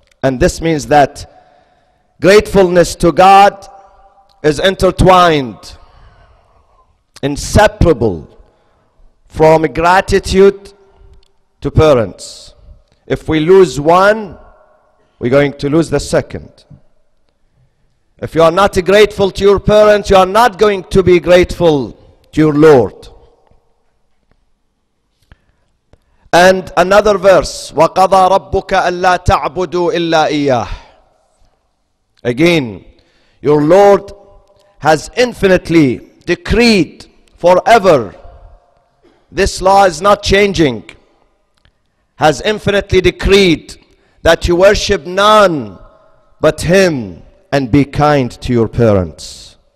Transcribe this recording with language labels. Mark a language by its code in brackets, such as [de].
[en] And this means that gratefulness to God is intertwined, inseparable from gratitude to parents. If we lose one, we're going to lose the second. If you are not grateful to your parents, you are not going to be grateful to your Lord. And another verse, [ar] وَقَضَى رَبُّكَ أَلَّا تَعْبُدُوا إِلَّا إِيَّهِ. [en] Again, your Lord has infinitely decreed forever. This law is not changing. Has infinitely decreed that you worship none but Him and be kind to your parents.